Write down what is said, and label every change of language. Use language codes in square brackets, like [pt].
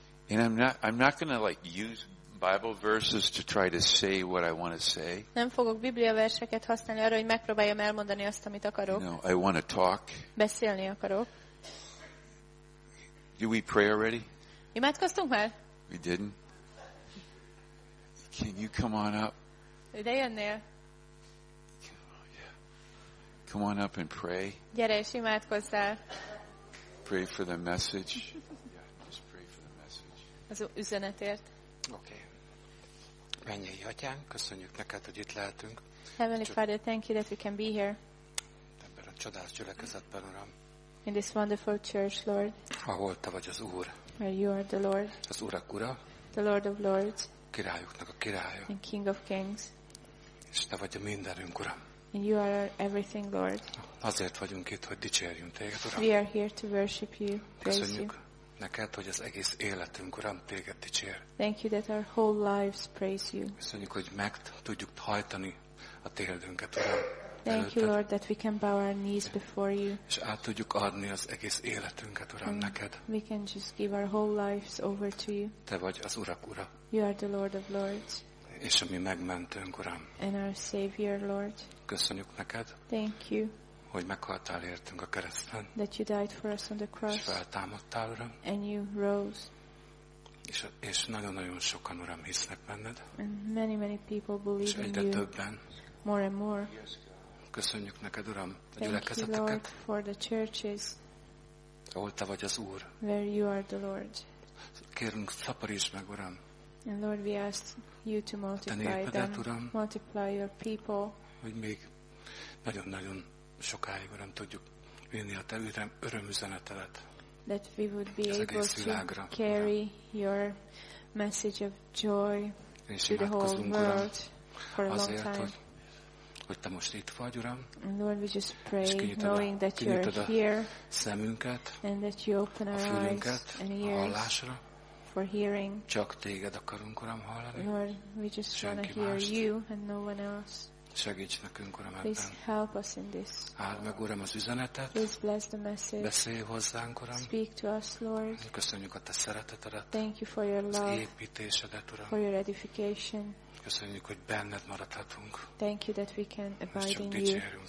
[en] And I'm not going to like use Bible verses to try to say what I want to say. [hu] Nem fogok Biblia verseket használni arra, hogy megpróbáljam elmondani azt, amit akarok. [en] No, I want to talk. [hu] Beszélni akarok. [en] Did we pray already? [hu] Imádkoztunk már? [en] We didn't. Can you come on up? [hu] Ide jönnél? [en] Come on up and pray. [hu] Gyere és imádkozzál. [en] Pray for the message. Yeah, just pray for the message. [hu] Az üzenetért. [en] Okay. [hu] Mennyei atyán, köszönjük neked, hogy itt lehetünk. [en] Heavenly Father, thank you that we can be here. [hu] Ebben a csodás gyülekezetben, Uram. [en] In this wonderful church, Lord. [hu] Ahol te vagy az Úr. [en] Where you are the Lord. [hu] Az Urak Ura. [en] The Lord of Lords. [hu] Királyoknak a királya. [en] And King of Kings. [hu] És te vagy a mindenünk, Uram. [en] And you are everything, Lord. [hu] Azért vagyunk itt, hogy dicsérjünk téged, Uram. [en] We are here to worship you. [hu] Köszönjük neked, hogy az egész életünk, Uram, téged dicsér. [en] Thank you that our whole lives praise you. [hu] Köszönjük, hogy meg tudjuk hajtani a térdünket, Uram. [en] Thank you, Lord, that we can bow our knees before you. [hu] És át tudjuk adni az egész életünket, Uram, neked. [en] We can just give our whole lives over to you. [hu] Te vagy az Urak Ura. [en] You are the Lord of Lords. [hu] És a mi megmentőnk, Uram. [en] And our Savior, Lord. [hu] Köszönjük neked. [en] Thank you. [hu] hogy meghaltál értünk a kereszten. [en] That you died for us on the cross. [hu] És feltámadtál, Uram. [en] And you rose. [hu] És nagyon-nagyon sokan, Uram, hisznek benned. [en] And many, many people believe in you. [hu] És egyre többen. [en] More and more. [hu] Köszönjük neked, Uram, a gyülekezeteket. [en] Thank you, Lord, for the churches. [hu] Ahol te vagy az Úr. [en] Where you are the Lord. [hu] Kérünk, szaporítsd meg, Uram. [en] And Lord, we ask you to multiply them. Multiply your people. [hu] Hogy még nagyon-nagyon sokáig, Uram, tudjuk vinni a te örömüzenetedet. [en] That we would be able to carry your message of joy to the whole world for a long time. [hu] Hogy te most itt vagy, Uram. [en] And Lord, we just pray, knowing that you are here, [hu] szemünket, [en] and that you open our eyes and ears for hearing. [hu] Csak téged akarunk, Uram, hallani. [en] Lord, we just want to hear you and no one else. [hu] Segíts nekünk, Uram, ebben. [en] Please help us in this. [hu] Áld meg, Uram, az üzenetet. [en] Please bless the message. [hu] Beszélj hozzánk, Uram. [en] Speak to us, Lord. [hu] Köszönjük a te szeretetedet. [en] Thank you for your love. [hu] Az építésedet, Uram. [en] For your edification. [hu] Köszönjük, hogy benned maradhatunk. [en] Thank you that we can abide in you.